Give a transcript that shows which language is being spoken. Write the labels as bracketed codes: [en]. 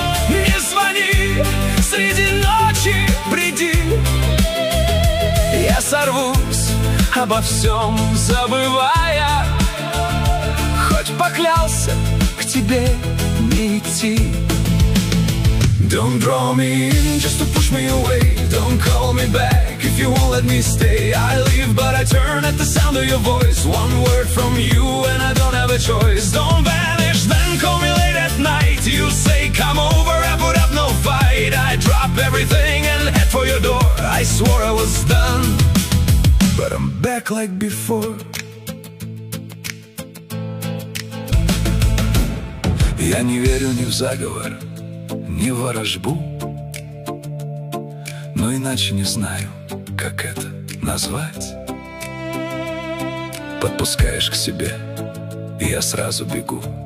[ru] Не звони среди ночи, приди. Я сорвусь, обо всем забывая. Хоть поклялся к тебе не идти. [en] Don't draw me in, just to push me away. Don't call me back, if you won't let me stay. I leave, but I turn at the sound of your voice. One word from you, and I don't have a choice. Don't vanish, then call me late at night. You say, come over, I put up no fight. I drop everything and head for your door. I swore I was done, but I'm back like before. [ru] Я не верю ни в заговор, не ворожбу, но иначе не знаю, как это назвать. Подпускаешь к себе, и я сразу бегу.